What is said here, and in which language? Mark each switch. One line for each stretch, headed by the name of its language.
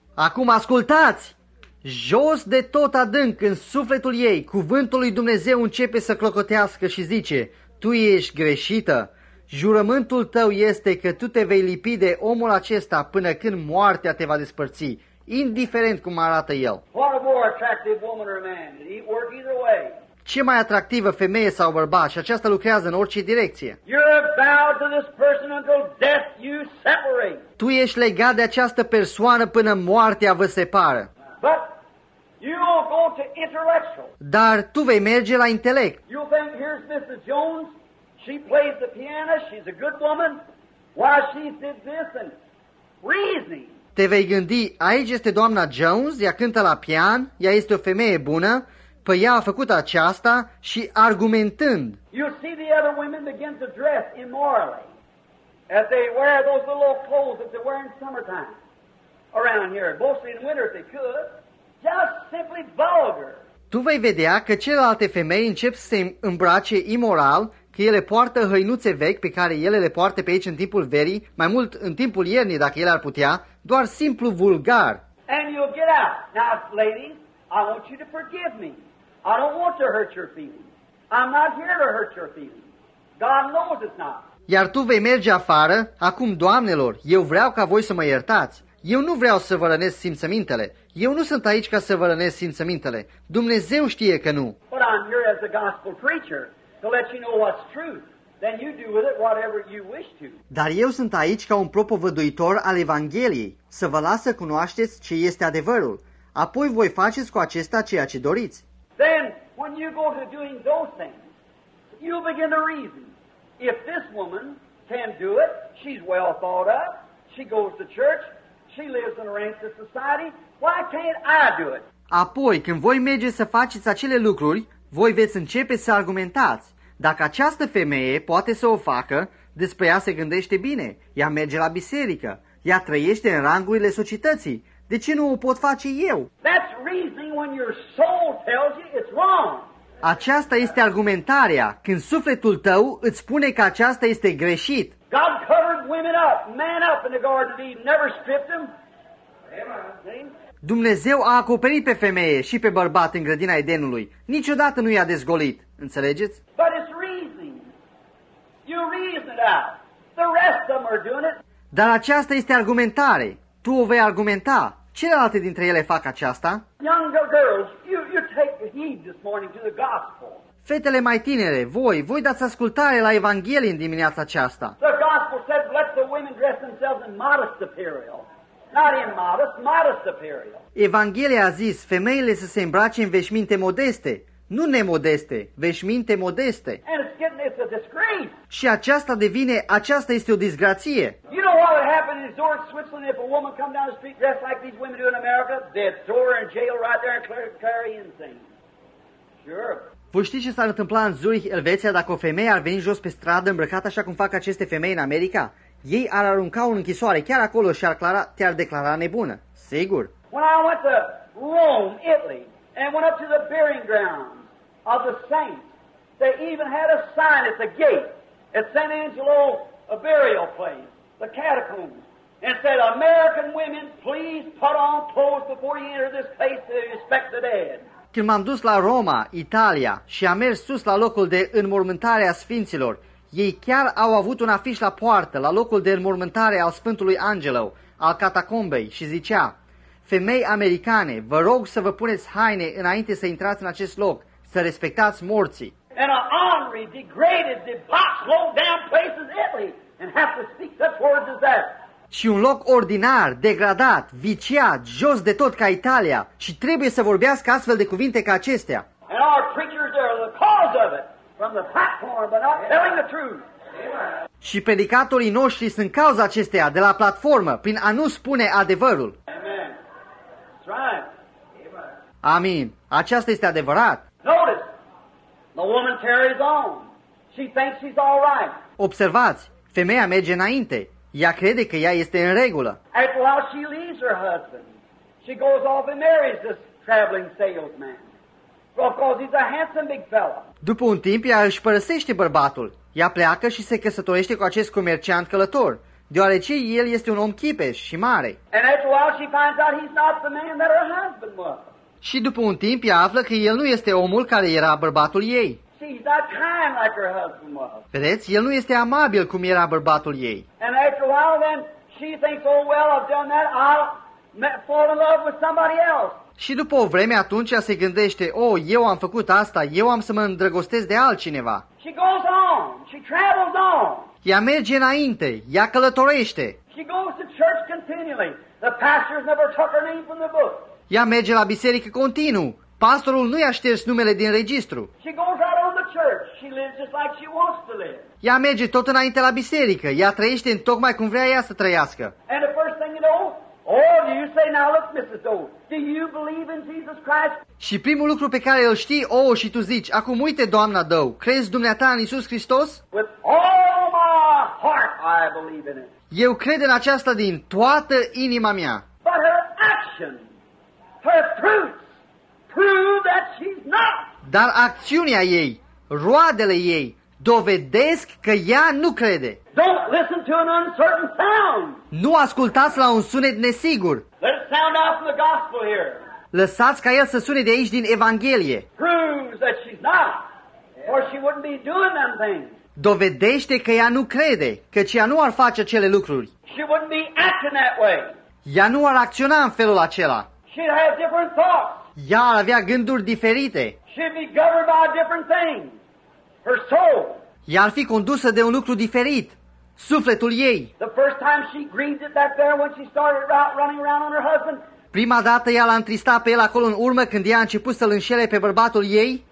Romanian: Acum ascultați! Jos de tot adânc în sufletul ei, cuvântul lui Dumnezeu începe să clocotească și zice, tu ești greșită, jurământul tău este că tu te vei lipi de omul acesta până când moartea te va despărți, indiferent cum arată el.
English: What a more attractive woman or man? It work either way.
Romanian: Ce mai atractivă femeie sau bărbat, și aceasta lucrează în orice direcție.
English: You're bound to this person until death you separate.
Romanian: Tu ești legat de această persoană până moartea vă separă.
English: But you will go to intellectual.
Romanian: Dar tu vei merge la intelect.
English: You think here's Mrs. Jones. She plays the piano. She's a good woman. Why she did this and reasoning.
Romanian: Te vei gândi, aici este doamna Jones, ea cântă la pian, ea este o femeie bună, păi ea a făcut aceasta și argumentând.
English: You see the other women begin to dress immorally as they wear those little clothes that they wear in summertime. Around here, mostly in winter if they could, just simply vulgar.
Romanian: Tu vei vedea că celelalte femei încep să se îmbrace imoral, că ele poartă hăinuțe vechi pe care ele le poartă pe aici în timpul verii, mai mult în timpul iernii dacă ele ar putea, doar simplu vulgar.
English: And you'll get out. Now, ladies, I want you to forgive me. I don't want to hurt your feelings. I'm not here to hurt your feelings. God knows it's not.
Romanian: Iar tu vei merge afară, acum, doamnelor, eu vreau ca voi să mă iertați. Eu nu vreau să vă rănesc simțămintele. Eu nu sunt aici ca să vă rănesc simțămintele. Dumnezeu știe că nu.
English: But I'm here as a gospel preacher to let you know what's truth. Then you do with it whatever you wish to.
Romanian: Dar eu sunt aici ca un propovăduitor al Evangheliei, să vă las să cunoașteți ce este adevărul. Apoi voi faceți cu acesta ceea ce doriți.
English: Then when you go to doing those things, you begin to reason. If this woman can do it, she's well thought up, she goes to church, she lives in a rank of society. Why can't I do it?
Romanian: Apoi, când voi merge să faceți acele lucruri, voi veți începe să argumentați. Dacă această femeie poate să o facă, despre ea se gândește bine. Ea merge la biserică. Ea trăiește în rangurile societății. De ce nu o pot face eu?
English: That's reasoning when your soul tells you it's wrong.
Romanian: Aceasta este argumentarea când sufletul tău îți spune că aceasta este greșit.
English: God covered women up, man up in the Garden of Eden, never stripped them.
Romanian: Dumnezeu a acoperit pe femeie și pe bărbat în grădina Edenului. Niciodată nu i-a dezgolit. Înțelegeți?
English: But it's reasoning. You reason it out. The rest of them are doing it.
Romanian: Dar aceasta este argumentare. Tu o vei argumenta. Celelalte dintre ele fac aceasta?
English: Younger girls, you take heed this morning to the gospel.
Romanian: Fetele mai tinere, voi dați ascultare la Evanghelie în dimineața aceasta.
English: The gospel said, let the women dress themselves in modest apparel. Not in modest, modest apparel.
Romanian: Evanghelia a zis, femeile să se îmbrace în veșminte modeste. Nu nemodeste, veșminte modeste.
English: And it's getting, it's a disgrace.
Romanian: Și aceasta devine, aceasta este o disgrație.
English: You know what would happen in Zurich, Switzerland, if a woman come down the street dressed like these women do in America? They'd throw her in jail right there and carry insane. Sure.
Romanian: Voi știți ce s-ar întâmpla în Zurich, Elveția, dacă o femeie ar veni jos pe stradă îmbrăcată așa cum fac aceste femei în America? Ei ar arunca-o în închisoare chiar acolo și te-ar declara nebună. Sigur.
English: When I went to Rome, Italy, and went up to the burying ground of the saints, they even had a sign at the gate at San Angelo, a burial place, the catacombs, and said, American women, please put on clothes before you enter this place to respect the dead.
Romanian: Când m-am dus la Roma, Italia, și am mers sus la locul de înmormântare a sfinților, ei chiar au avut un afiș la poartă, la locul de înmormântare al Sfântului Angelo, al catacombei, și zicea, femei americane, vă rog să vă puneți haine înainte să intrați în acest loc, să respectați morții.
English: And an ornery, degraded, debauched, low-down place is Italy, and have to speak such words as that.
Romanian: Și un loc ordinar, degradat, viciat, jos de tot ca Italia și trebuie să vorbească astfel de cuvinte ca acestea.
English: Our preachers are the cause of it from the platform, but not telling the truth.
Romanian: Și predicatorii noștri sunt cauza acesteia, de la platformă, prin a nu spune adevărul.
English: Amen. That's right.
Romanian: Amin. Aceasta este adevărat.
English: Notice. The woman carries on. She thinks she's all right.
Romanian: Observați, femeia merge înainte. Ea crede că ea este în regulă.
English: And while she leaves her husband, she goes off and marries this traveling salesman. Because he's a handsome big fella.
Romanian: După un timp, ea își părăsește bărbatul. Ea pleacă și se căsătorește cu acest comerciant călător, deoarece el este un om chipeș și mare.
English: And after a while she finds out he's not the man that her husband was.
Romanian: Și după un timp ea află că el nu este omul care era bărbatul ei.
English: She's not kind like her husband was.
Romanian: Vedeți, el nu este amabil cum era bărbatul ei.
English: And after a while then she thinks, oh well, I've done that, I'll fall in love with somebody else.
Romanian: Și după o vreme atunci ea se gândește, oh, eu am făcut asta, eu am să mă îndrăgostesc de altcineva.
English: She goes on, she travels on.
Romanian: Ea merge înainte, ea călătorește.
English: She goes to church continually. The pastor's never took her name from the book.
Romanian: Ea merge la biserică continuu. Pastorul nu i-a șters numele din registru.
English: She goes out on the church. She lives just like she wants to live.
Romanian: Ea merge tot înainte la biserică. Ea trăiește în tocmai cum vrea ea să trăiască.
English: And the first thing you know, oh, do you say now, look, Mrs. Doe, do you believe in Jesus Christ?
Romanian: Și primul lucru pe care îl știi, oh, și tu zici, acum uite, doamna Doe, crezi dumneata în Iisus Hristos?
English: With all my heart, I believe in it.
Romanian: Eu cred în aceasta din toată inima mea.
English: But her action, her fruits, prove that she's not.
Romanian: Dar acțiunea ei, roadele ei, dovedesc că ea nu crede.
English: Don't listen to an uncertain sound.
Romanian: Nu ascultați la un sunet nesigur.
English: Let it sound out from the gospel here.
Romanian: Lăsați ca el să sune de aici din Evanghelie.
English: Proves that she's not, or she wouldn't be doing them things.
Romanian: Dovedește că ea nu crede, căci ea nu ar face acele lucruri. She wouldn't be acting that way. Ea nu ar acționa în felul acela. She'd have different thoughts. Ea ar avea gânduri diferite. She'd be governed by a different thing. Her soul. Ea ar fi condusă de un lucru diferit, sufletul ei.
English: The first time she grieved it back there when she started running around on her husband.
Romanian: Prima dată ea l-a întristat pe el acolo în urmă când ea a început să-l înșele pe bărbatul ei.